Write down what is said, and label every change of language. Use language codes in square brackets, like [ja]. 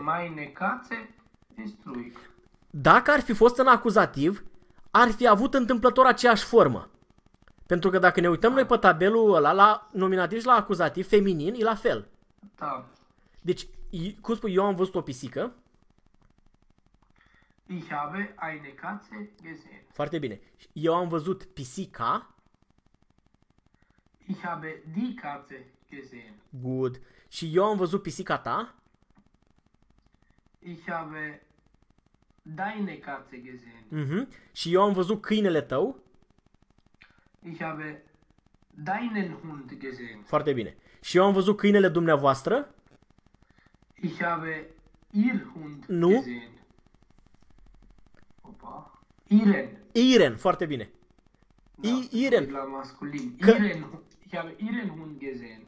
[de] Meine Katze ist ruhig. [ro] Dacă ar fi fost în acuzativ, ar fi avut întâmplător aceeași formă. Pentru că dacă ne uităm noi pe tabelul ăla, la nominativ și la acuzativ, feminin, e la fel. Da. Deci, cum spui, eu am văzut o pisică. [de] Ich habe eine Katze gesehen. [ro] Foarte bine. Eu am văzut pisica. [de] Ich habe die Katze gesehen. [ro] Good. Și eu am văzut pisica ta. [de] Ich habe deine Katze gesehen. Mhm. [ro] Și eu am văzut câinele tău. [de] Ich habe deinen Hund gesehen. [ro] Foarte bine. Și eu am văzut câinele dumneavoastră. [de] Ich habe ihr Hund [ro] nu. [de] Gesehen. Opa. Ihren. [ro] Ihren, foarte bine. Da, [de] Ihren. [ro] La masculin. Că... Ihren. Gesehen.